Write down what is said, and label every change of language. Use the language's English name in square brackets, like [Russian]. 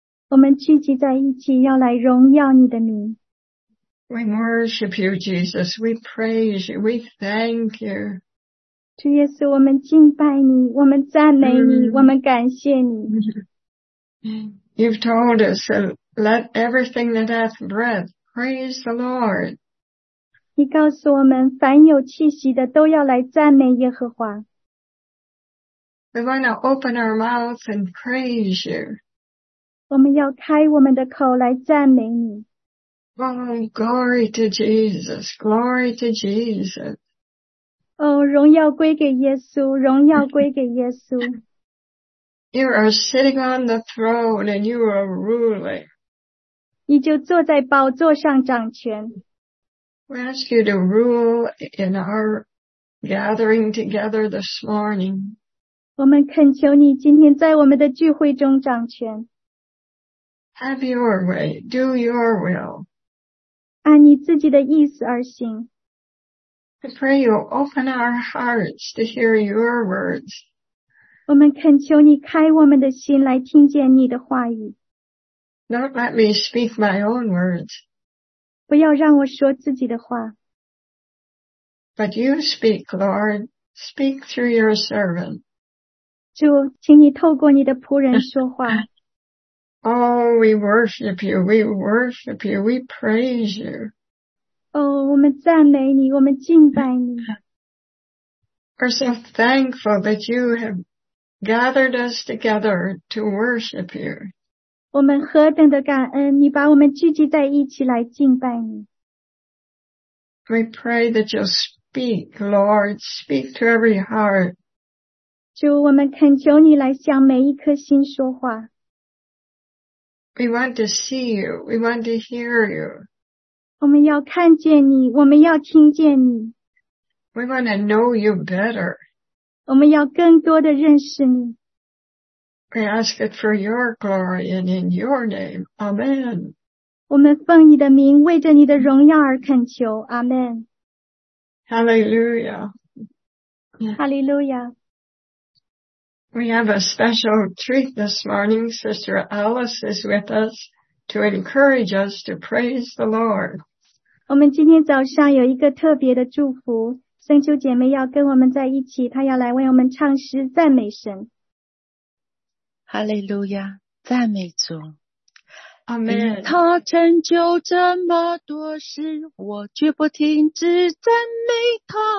[Chinese] 我们聚集在一起，要来荣耀你的名。 [English] We worship you, Jesus. We praise you. We thank you. [Chinese] 主耶稣，我们敬拜你，我们赞美你，我们感谢你。 [English] You've told us, let everything that hath breath praise the Lord. [Chinese] 你告诉我们，凡有气息的都要来赞美耶和华。 [English] We want to open our mouths and praise you. [Chinese] 我们要开我们的口来赞美你。 [English] Oh, glory to Jesus, glory to Jesus. [Chinese] 哦，荣耀归给耶稣，荣耀归给耶稣。 [English] You are sitting on the throne and you are ruling. [Chinese] 你就坐在宝座上掌权。 [English] We ask you to rule in our gathering together this morning. [Chinese] 我们恳求你今天在我们的聚会中掌权。 [English] Have your way, do your will. [Chinese] 按你自己的意思而行。 [English] I pray you open our hearts to hear your words. [Chinese] 我们恳求你开我们的心来听见你的话语。 [English] Don't let me speak my own words. [Chinese] 不要让我说自己的话。 [English] But you speak, Lord, speak through your servant. [Chinese] 主，请你透过你的仆人说话。 [English] Oh, we worship you, we worship you, we praise you. [Chinese] 哦，我们赞美你，我们敬拜你。 [English] We're so thankful that you have gathered us together to worship you. [Chinese] 我们何等的感恩，你把我们聚集在一起来敬拜你。 [English] We pray that you'll speak, Lord, speak to every heart. [Chinese] 主，我们恳求你来向每一颗心说话。 [English] We want to see you. We want to hear you. [Chinese] 我们要看见你，我们要听见你。 [English] We want to know you better. [Chinese] 我们要更多的认识你。 [English] We ask it for your glory and in your name. Amen. [Chinese] 我们奉你的名，为着你的荣耀而恳求。 [English] Amen. Hallelujah. Hallelujah. We have a special treat this morning. Sister Alice is with us to encourage us to praise the Lord. [Chinese] 我们今天早上有一个特别的祝福。圣秋姐妹要跟我们在一起，她要来为我们唱诗赞美神。哈利路亚，赞美主。阿门。他成就这么多事，我绝不停止赞美他。